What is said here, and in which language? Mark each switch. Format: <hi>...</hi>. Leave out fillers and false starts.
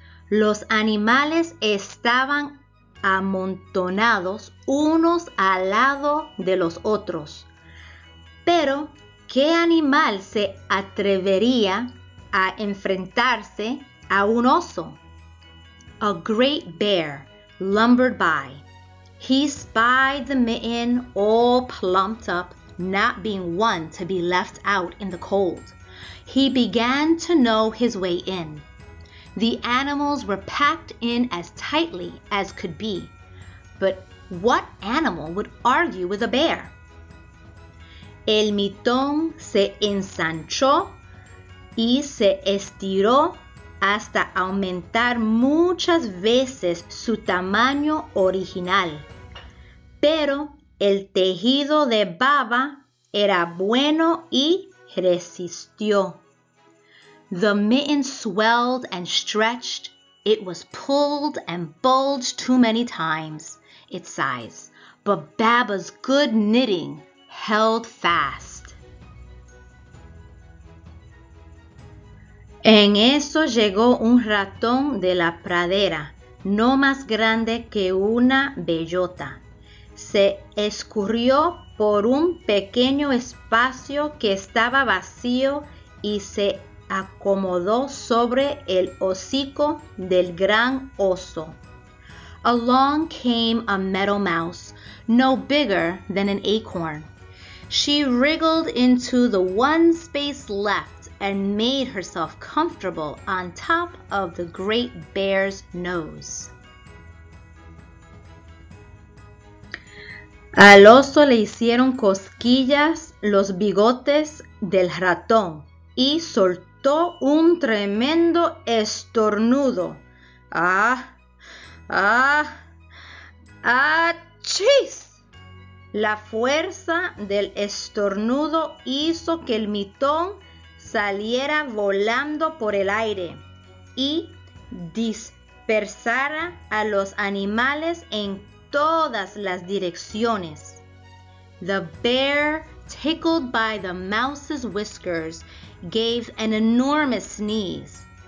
<es>Los animales estaban amontonados unos al lado de los otros. Pero, ¿qué animal se atrevería a enfrentarse a un oso?</es> <en>A great bear, lumbered by. He spied the mitten all plumped up, not being one to be left out in the cold. He began to know his way in. The animals were packed in as tightly as could be, but what animal would argue with a bear?</en> <es>El mitón se ensanchó y se estiró hasta aumentar muchas veces su tamaño original. Pero el tejido de baba era bueno y resistió.</es> <en>The mitten swelled and stretched. It was pulled and bulged too many times, it sighs. But Baba's good knitting held fast.</en> <es>En eso llegó un ratón de la pradera, no más grande que una bellota. Se escurrió por un pequeño espacio que estaba vacío y se acomodó sobre el hocico del gran oso.</es> <en>Along came a meadow mouse, no bigger than an acorn. She wriggled into the one space left and made herself comfortable on top of the great bear's nose.</en> <es>Al oso le hicieron cosquillas los bigotes del ratón y soltó un tremendo estornudo. ¡Achís! La fuerza del estornudo hizo que el mitón saliera volando por el aire y dispersara a los animales en todas las direcciones.</es> <en>The bear, tickled by the mouse's whiskers, gave an enormous sneeze.</en>